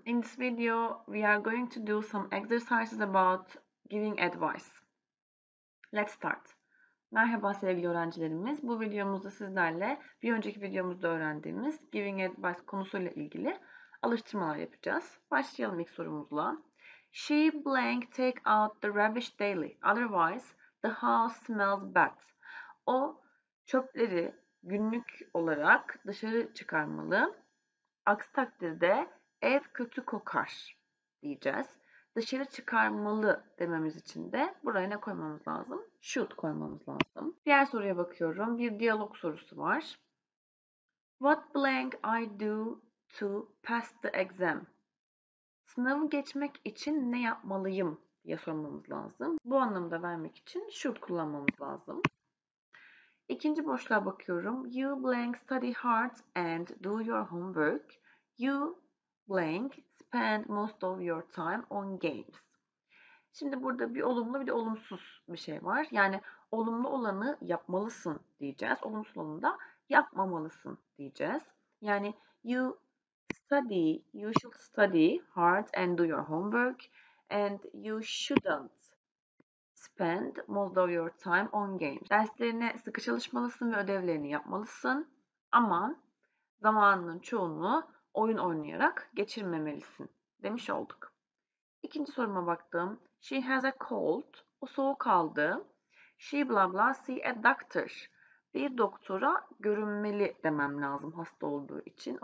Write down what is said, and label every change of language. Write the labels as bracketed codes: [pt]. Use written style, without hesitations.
[en] In this video, we are going to do some exercises about giving advice. Let's start. [tr] Merhaba sevgili öğrencilerimiz. Bu videomuzda sizlerle bir önceki videomuzda öğrendiğimiz giving advice konusuyla ilgili alıştırmalar yapacağız. Başlayalım ilk sorumuzla. [en] She blank take out the rubbish daily. Otherwise, the house smells bad. [tr] O çöpleri günlük olarak dışarı çıkarmalı. Aksi takdirde ev kötü kokar diyeceğiz. Dışarı çıkarmalı dememiz için de buraya ne koymamız lazım? Should koymamız lazım. Diğer soruya bakıyorum. Bir diyalog sorusu var. [en] What blank I do to pass the exam? [tr] Sınavı geçmek için ne yapmalıyım diye sormamız lazım. Bu anlamda vermek için should kullanmamız lazım. İkinci boşluğa bakıyorum. [en] You blank study hard and do your homework. You blank spend most of your time on games. [tr] Şimdi burada bir olumlu bir de olumsuz bir şey var. Yani olumlu olanı yapmalısın diyeceğiz. Olumsuz olanı da yapmamalısın diyeceğiz. [en] Yani you should study hard and do your homework. And you shouldn't spend most of your time on games. [tr] Derslerine sıkı çalışmalısın ve ödevlerini yapmalısın. Ama zamanının çoğunu oyun oynayarak geçirmemelisin demiş olduk. İkinci soruma baktım. [en] She has a cold. [tr] O soğuk aldı. [en] She blah blah see a doctor. [tr] Bir doktora görünmeli demem lazım hasta olduğu için.